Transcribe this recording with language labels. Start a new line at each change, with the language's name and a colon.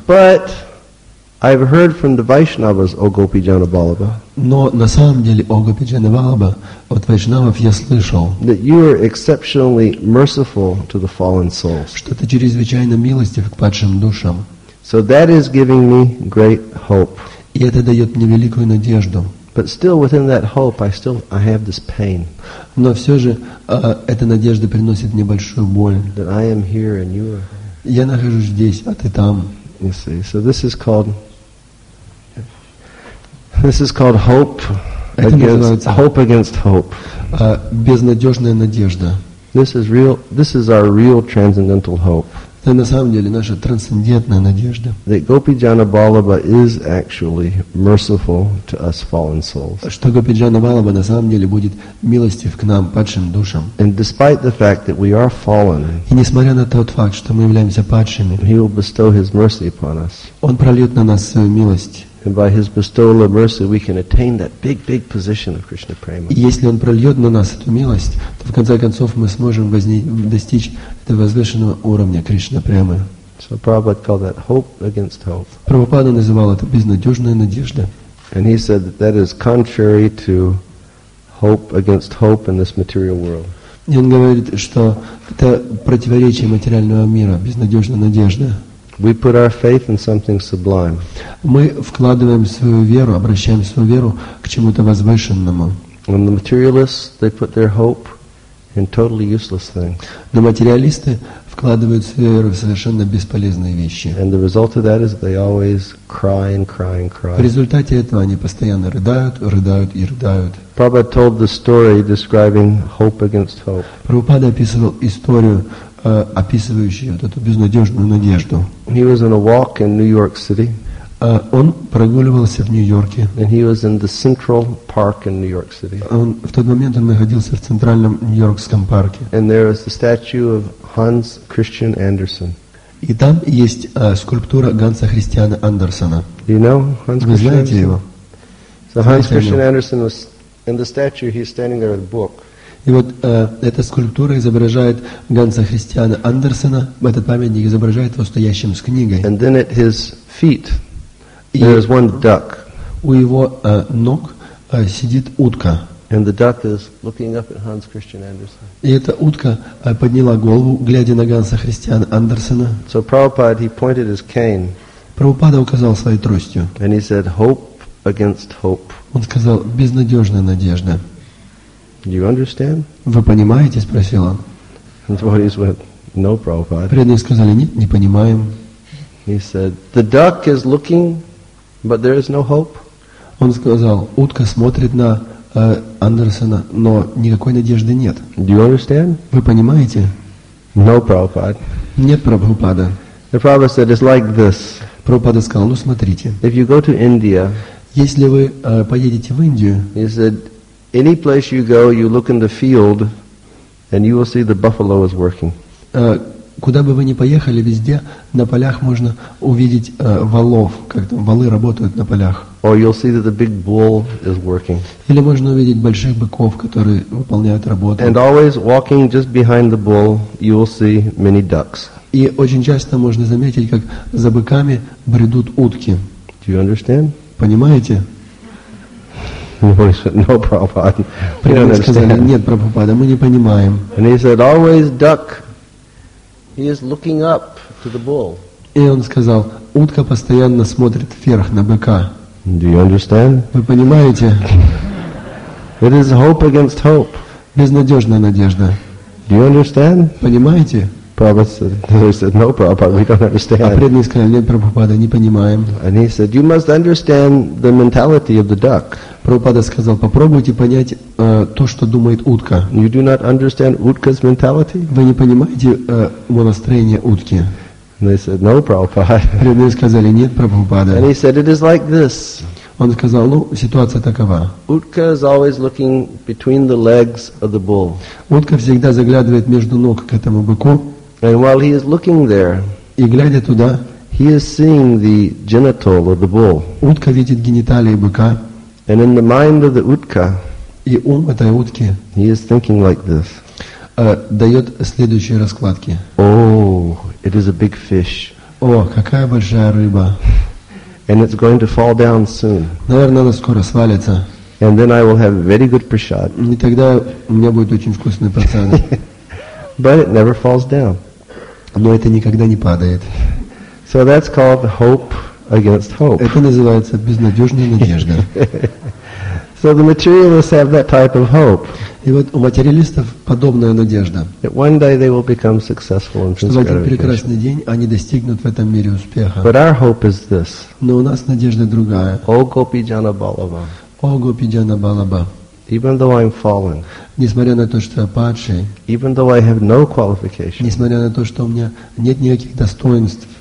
English: But I've heard from the Vaishnavas, O Gopi Janabalaba.
Russian: Но на самом деле, О Гопи Джанабалаба, от вайшнавов я слышал,
English: that you are exceptionally merciful to the fallen souls.
Russian: Что ты чрезвычайно милостив к падшим душам.
English: So that is giving me great hope.
Russian: И это дает мне великую надежду.
English: But still, within that hope, I have this pain.
Russian: Но все же, эта надежда приносит мне большую боль.
English: That I am here and you are.
Russian: Я нахожусь здесь, а ты там.
English: You see, so this is called hope against hope.
Russian: Безнадежная надежда.
English: This is our real transcendental hope.
Russian: Это на самом деле наша трансцендентная надежда.
English: That Gopi Janabalaba is actually merciful to us fallen souls.
Russian: Что Гопи Джанабалаба на самом деле будет милостив к нам, падшим душам.
English: And despite the fact that we are fallen,
Russian: и несмотря на тот факт, что мы являемся падшими,
English: He will bestow His mercy upon us.
Russian: Он прольет на нас свою милость.
English: And by His bestowal of mercy, we can attain that big position of Krishna Prema.
Russian: Если Он прольет на нас эту милость, то в конце концов мы сможем достичь этого возвышенного уровня Кришна Премы.
English: So Prabhupada called that hope against hope.
Russian: Прабхупада называл это безнадежная надежда.
English: And he said that that is contrary to hope against hope in this material world.
Russian: И он говорит, что это противоречие материального мира, безнадежная надежда.
English: We put our faith in something sublime.
Russian: Мы вкладываем свою веру, обращаем свою веру к чему-то возвышенному.
English: And the materialists, they put their hope in totally useless things.
Russian: Но материалисты вкладывают свою веру в совершенно бесполезные вещи.
English: And the result of that is they always cry and cry and cry.
Russian: В результате этого они постоянно рыдают, рыдают и рыдают.
English: Prabhupada told the story describing hope against hope.
Russian: Прабхупада описывал историю, описывающий вот эту безнадежную надежду.
English: He was on a walk in New York City.
Russian: Он прогуливался в Нью-Йорке.
English: And he was in the Central Park in New York City.
Russian: В тот момент он находился в центральном Нью-Йоркском парке.
English: And there is the statue of Hans Christian Andersen.
Russian: И там есть скульптура Ганса Христиана Андерсена.
English: Do you know Hans Christian?
Russian: Вы знаете его?
English: So Hans Christian Andersen was in the statue. He's standing there with a book.
Russian: И вот эта скульптура изображает Ганса Христиана Андерсена. Этот памятник изображает его стоящим с книгой.
English: And then at his feet, there is one duck.
Russian: У его ног сидит утка.
English: And the duck is looking up at Hans Christian Andersen.
Russian: И эта утка подняла голову, глядя на Ганса Христиана Андерсена.
English: So Prabhupada, he pointed his cane.
Russian: Прабхупада указал своей тростью.
English: And he said, "Hope against hope."
Russian: Он сказал, безнадежная надежда.
English: Do you understand?
Russian: Вы понимаете? Спросил он.
English: And the devotees went, "No, Prabhupada."
Russian: Преданные сказали, нет, не понимаем.
English: He said, "The duck is looking, but there is no hope."
Russian: Он сказал, утка смотрит на Андерсена, но никакой надежды нет.
English: Do you understand?
Russian: Вы понимаете?
English: No, Prabhupada.
Russian: Нет, Прабхупада.
English: The Prabhupada said, "It's like this."
Russian: Прабхупада сказал, ну смотрите.
English: If you go to India,
Russian: если вы поедете в Индию,
English: he said, any place you go, you look in the field, and you will see the buffalo is working.
Russian: Куда бы вы ни поехали, везде на полях можно увидеть волов, как там волы работают на полях.
English: Or you'll see that the big bull is working.
Russian: Или можно увидеть больших быков, которые выполняют работу.
English: And always walking just behind the bull, you will see many ducks.
Russian: И очень часто можно заметить, как за быками бредут утки.
English: Do you understand?
Russian: Понимаете?
English: No, Prabhupada. We don't understand.
Russian: Сказали, нет, Прабхупада, мы не понимаем.
English: And he said, always duck. He is looking up to the bull.
Russian: И он сказал, утка постоянно смотрит вверх на быка.
English: Do you understand?
Russian: Вы понимаете?
English: It is hope against hope.
Russian: Безнадежная надежда.
English: Do you understand?
Russian: Понимаете?
English: Prabhupada said, no, Prabhupada, we don't understand.
Russian: А преданные сказали, нет, Прабхупада, не понимаем.
English: And he said, you must understand the mentality of the duck.
Russian: Прабхупада сказал, попробуйте понять то, что думает утка.
English: You do not understand utka's mentality?
Russian: Вы не понимаете умонастроение утки.
English: And they said, no, Prabhupada.
Russian: Преданные сказали, нет, Прабхупада.
English: And he said, it is like this.
Russian: Он сказал, ну, ситуация такова.
English: Утка is always looking between the legs of the bull.
Russian: Утка всегда заглядывает между ног к этому быку.
English: And while he is looking there,
Russian: И глядя туда,
English: he is seeing the genital of the bull.
Russian: Утка видит гениталии быка.
English: And in the mind of the утка,
Russian: и ум этой утки,
English: he is thinking like this.
Russian: Дает следующие раскладки.
English: Oh, it is a big fish.
Russian: О, какая большая рыба.
English: And it's going to fall down soon.
Russian: Наверное, она скоро свалится.
English: And then I will have very good prashad.
Russian: И тогда у меня будет очень вкусный прасад.
English: But it never falls down.
Russian: Но это никогда не падает.
English: So that's called hope against hope.
Russian: Это называется безнадежная надежда.
English: So the materialists have that type of hope.
Russian: И вот у материалистов подобная надежда.
English: That one day they will become successful in this gratification.
Russian: Что в один прекрасный день они достигнут в этом мире успеха.
English: But our hope is this.
Russian: Но у нас надежда другая. О Гопи Джана Балаба. О Гопи Джана Балаба.
English: Even though I'm fallen.
Russian: Несмотря на то, что я падший.
English: Even though I have no qualification.
Russian: Несмотря на то, что у меня нет никаких достоинств.